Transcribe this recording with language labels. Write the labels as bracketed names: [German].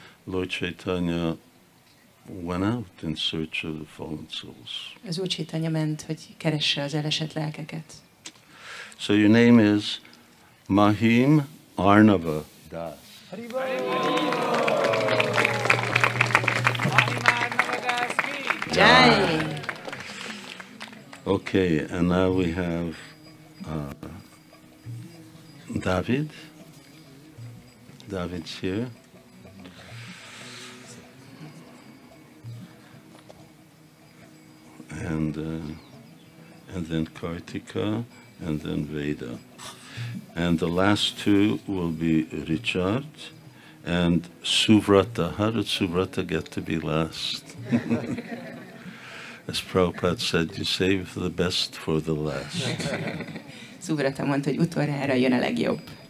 [English] Lord Chaitanya went out in search of the fallen souls. [Hungarian] Az Úr Chaitanya ment, hogy keresse az elesett lelkeket. [English] So your name is Mahim Arnava Das. Jai. Okay, and now we have David. David's here. And then Kartika, and then Veda. And the last two will be Richard and Suvrata. How did Suvrata get to be last? As Prabhupada said, you save the best for the last. [Hungarian] Suvrata mondta, hogy utoljára jön a legjobb.